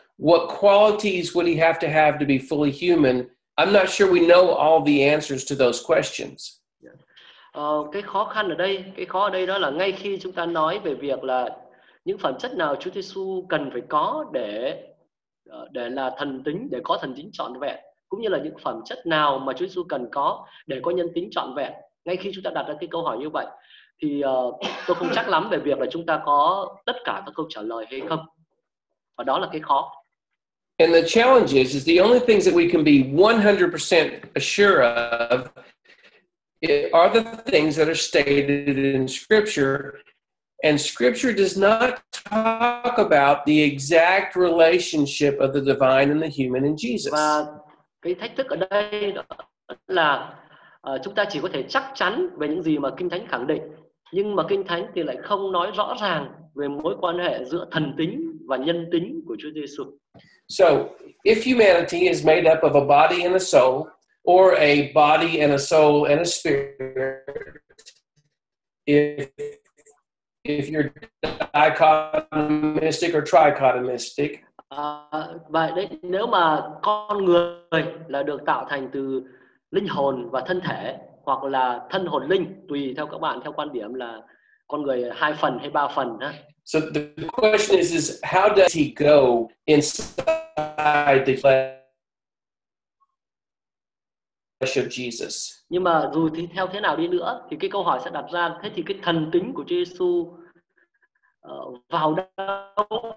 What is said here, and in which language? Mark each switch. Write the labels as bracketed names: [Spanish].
[English] What qualities would he have to be fully human? I'm not sure we know all the answers to those questions. [Vietnamese] Cái khó khăn ở đây, cái khó ở đây đó là ngay khi chúng ta nói về việc là những phẩm chất nào Chúa Giêsu cần phải có để là thần tính, để có thần tính trọn vẹn, cũng như là những phẩm chất nào mà Chúa Giêsu cần có để có nhân tính trọn vẹn, Ngay khi chúng ta đặt ra cái câu hỏi như vậy, thì tôi không chắc lắm về việc là chúng ta có tất cả các câu trả lời hay không. Và đó là cái khó. [English] And the challenge is the only things that we can be 100% assured of are the things that are stated in Scripture. And Scripture does not talk about the exact relationship of the divine and the human in Jesus. [Vietnamese] Và cái thách thức ở đây là chúng ta chỉ có thể chắc chắn về những gì mà Kinh Thánh khẳng định, nhưng mà Kinh Thánh thì lại không nói rõ ràng về mối quan hệ giữa thần tính và nhân tính của Chúa Giêsu. [English] So, if humanity is made up of a body and a soul, or a body and a soul and a spirit, if you're dichotomistic or trichotomistic. [Vietnamese] Vậy đấy, nếu mà con người là được tạo thành từ linh hồn và thân thể, hoặc là thân hồn linh, tùy theo các bạn, theo quan điểm là con người hai phần hay ba phần. [English] So the question is how does he go inside the flesh of Jesus? [Vietnamese] Nhưng mà dù thì theo thế nào đi nữa, thì cái câu hỏi sẽ đặt ra, thế thì cái thần tính của Chúa Giêsu vào đâu?